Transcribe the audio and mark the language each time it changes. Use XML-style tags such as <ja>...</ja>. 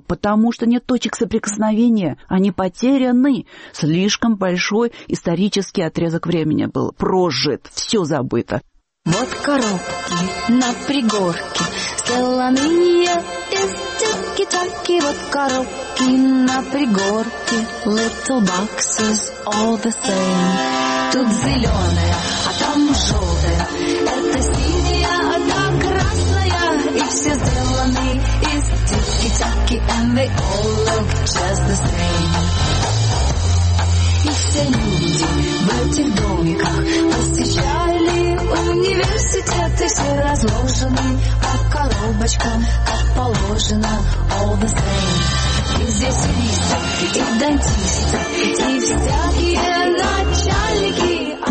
<ru>Потому что нет точек соприкосновения. Они потеряны. Слишком большой исторический отрезок времени был прожит. Все забыто. Вот коробки на пригорке, сделанные из тики-таки. Вот коробки на пригорке,</ru> <en>little boxes all the same.</en> <ru>Тут зеленая, а там желтая, это синяя, а там красная. И все сделаны из тики-таки,</ru> <en>and they all look just the same.</en> <ru>И все люди в этих домиках посещали университеты, все разложены по коробочкам, как положено,</ru> <en>all the same.</en> <ru>И здесь и листья, и дантисты, и всякие начальники.</ru>